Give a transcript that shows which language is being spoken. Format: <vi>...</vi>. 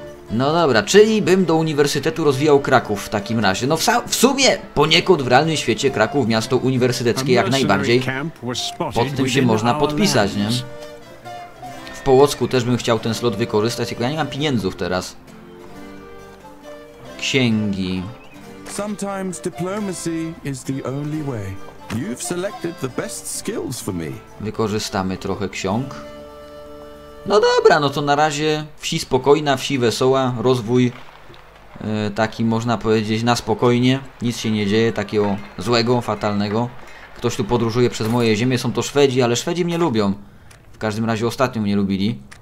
<pl>No dobra, czyli bym do uniwersytetu rozwijał Kraków w takim razie. No w sumie poniekąd w realnym świecie Kraków, miasto uniwersyteckie, jak najbardziej. Pod tym się można podpisać, nie? W Połocku też bym chciał ten slot wykorzystać, tylko ja nie mam pieniędzy teraz. Księgi.</pl> <en>Sometimes diplomacy is the only way. You've selected the best skills for me.</en> <pl>Wykorzystamy trochę ksiąg. No dobra, no to na razie wsi spokojna, wsi wesoła, rozwój taki można powiedzieć na spokojnie, nic się nie dzieje takiego złego, fatalnego. Ktoś tu podróżuje przez moje ziemie, są to Szwedzi, ale Szwedzi mnie lubią. W każdym razie ostatnio mnie lubili.</pl>